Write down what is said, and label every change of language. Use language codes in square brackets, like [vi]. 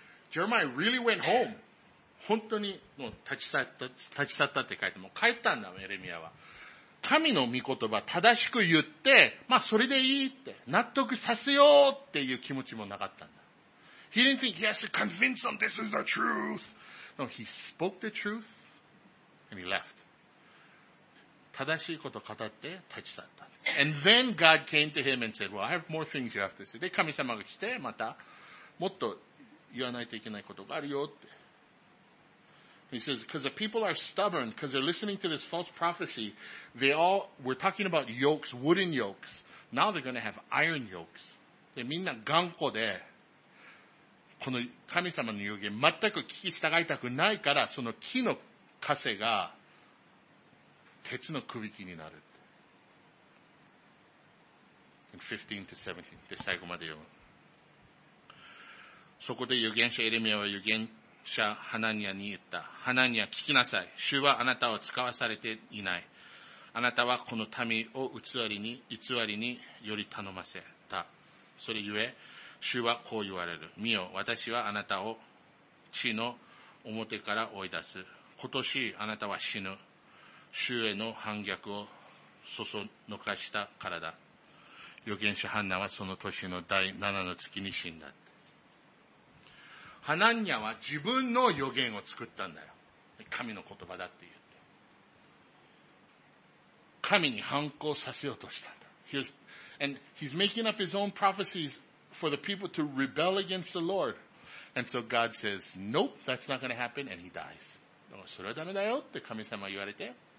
[en] Jeremiah really went home. [ja] 本当にもう立ち去ったって書いて、もう帰ったんだよ、エレミアは。神の御言葉正しく言って、まあそれでいいって、納得させようっていう気持ちもなかったんだ。 [en] He didn't think he has to convince them this is the truth. No, he spoke the truth and he left. [ja] 正しいことを語って立ち去った。 [en] And then God came to him and said, well, I have more things you have to say. [ja] で、神様が来て、また、もっと言わないといけないことがあるよって。 [en] He says, because the people are stubborn, because they're listening to this false prophecy, they all, we're talking about yokes, wooden yokes. Now they're going to have iron yokes. [ja] で、みんな頑固で、この神様の予言、全く聞き従いたくないから、その木の枷が、鉄の首輝きになる。 15 to 17で最後まで読む。そこで預言者エレミアは預言者ハナニアに言った。ハナニア聞きなさい。主はあなたを使わされていない。あなたはこの民を偽りにより頼ませた。それゆえ主はこう言われる。見よ、私はあなたを地の表から追い出す。今年あなたは死ぬ。主への反逆をそそのかしたからだ。預言者ハンナはその年の第7の月に死んだ。ハナンニャは自分の預言を作ったんだよ。神の言葉だって言って。神に反抗させようとしたんだ。 [en] And he's making up his own prophecies for the people to rebel against the Lord. And so God says, nope, that's not going to happen, and he dies. [ja] それはダメだよって神様言われて。